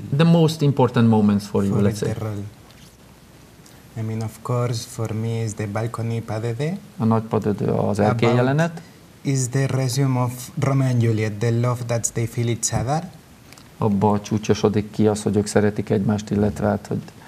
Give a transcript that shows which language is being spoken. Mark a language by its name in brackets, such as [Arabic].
[English] the most important moments for you, let's say. Role. I mean, of course, for me is the balcony padede. [Hungarian] A nagy padede, az erkély jelenet. [English] Is the resume of Romeo and Juliet, the love that they feel each other. [Hungarian] Abba a csúcsosodik ki az, hogy ők szeretik egymást, illetve hát, hogy...